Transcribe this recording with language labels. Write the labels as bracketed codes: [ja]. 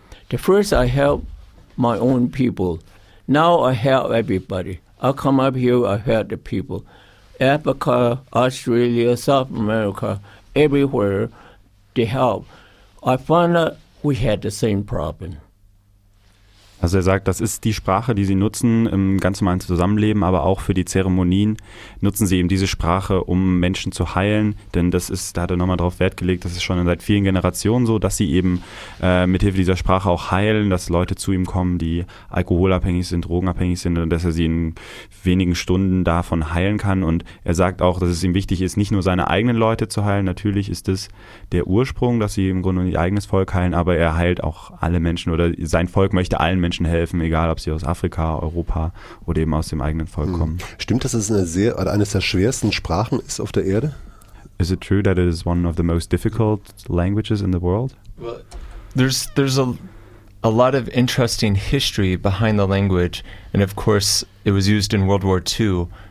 [en] The first I help my own people. Now I help everybody. I come up here, I help the people. Africa, Australia, South America, everywhere. To help. I found out we had the same problem. [de] Also er sagt, das ist die Sprache, die sie nutzen im ganz normalen Zusammenleben, aber auch für die Zeremonien nutzen sie eben diese Sprache, um Menschen zu heilen. Denn das ist, da hat er nochmal drauf Wert gelegt, das ist schon seit vielen Generationen so, dass sie eben mithilfe dieser Sprache auch heilen, dass Leute zu ihm kommen, die alkoholabhängig sind, drogenabhängig sind, und dass er sie in wenigen Stunden davon heilen kann. Und er sagt auch, dass es ihm wichtig ist, nicht nur seine eigenen Leute zu heilen. Natürlich ist es der Ursprung, dass sie im Grunde ihr eigenes Volk heilen, aber er heilt auch alle Menschen, oder sein Volk möchte allen Menschen helfen, egal ob sie aus Afrika, Europa oder eben aus dem eigenen Volk kommen. Stimmt, dass es eines der schwersten Sprachen ist auf der Erde? [en] Is it true that it is one of the most difficult languages in the world? Well, there's a lot of interesting history behind the language, and of course it was used in World War II.